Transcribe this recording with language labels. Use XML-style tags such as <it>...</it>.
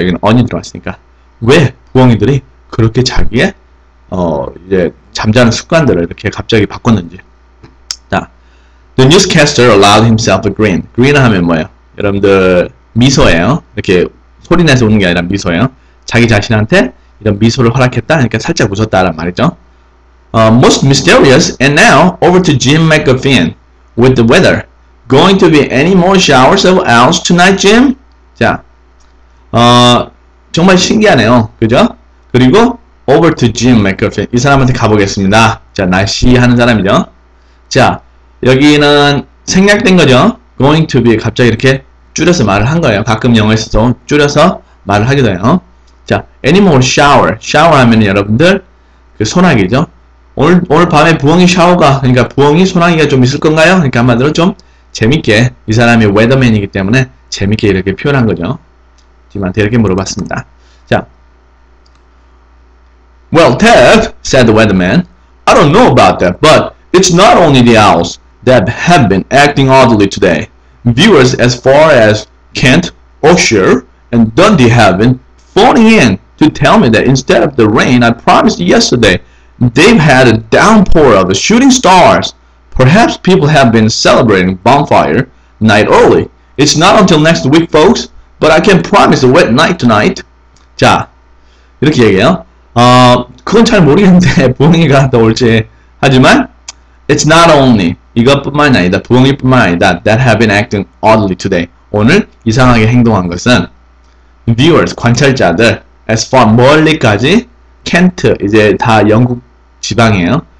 <ko>여기는 on이 들어왔으니까. 왜 부엉이들이 그렇게 자기의 이제 잠자는 습관들을 이렇게 갑자기 바꿨는지.</ko> <en>자, the newscaster allowed himself a grin. grin</en> <ko>하면 뭐예요? 여러분들 미소예요. 이렇게 소리 내서 웃는 게 아니라 미소예요. 자기 자신한테 이런 미소를 허락했다. 그러니까 살짝 웃었다란 말이죠.</ko> <en>Most mysterious and now over to Jim McGuffin with the weather. Going to be any more showers of owls tonight, Jim?</en> <ko>자, 정말 신기하네요. 그죠?</ko> <en>그리고 Over to Jim McGuffin.</en> <ko>이 사람한테 가보겠습니다. 자, 날씨 하는 사람이죠. 자, 여기는 생략된 거죠.</ko> <en>Going to be</en> <ko>갑자기 이렇게 줄여서 말을 한 거예요. 가끔 영어에서도 줄여서 말을 하기도 해요. 자,</ko> <en>anymore shower.</en> <ko>shower 하면 여러분들 그 소나기죠. 오늘 밤에 부엉이 샤워가, 그러니까 부엉이 소나기가 좀 있을 건가요? 그러니까 한마디로 좀 재밌게, 이 사람이 웨더맨이기 때문에 재밌게 이렇게 표현한 거죠. 팀한테 이렇게 물어봤습니다.</ko> <en>자, Well, Ted, said the weatherman, I don't know about that, but it's not only the owls that have been acting oddly today. Viewers as far as Kent, Oshir, and Dundee have been phoning in to tell me that instead of the rain I promised yesterday, they've had a downpour of the shooting stars. Perhaps people have been celebrating bonfire night early. It's not until next week, folks, but I can promise a wet night tonight.</en> <ko>자, 이렇게 얘기해요. 그건 잘 모르겠는데, 부엉이가 더 올지. 하지만,</ko> <en>it's not only,</en> <ko>이것뿐만 아니다, 부엉이뿐만 아니다,</ko> <en>that have been acting oddly today.</en> <ko>오늘 이상하게 행동한 것은, viewers, 관찰자들,</ko> <en>as far</en> <ko>멀리까지, Kent, 이제 다 영국 지방이에요.</ko>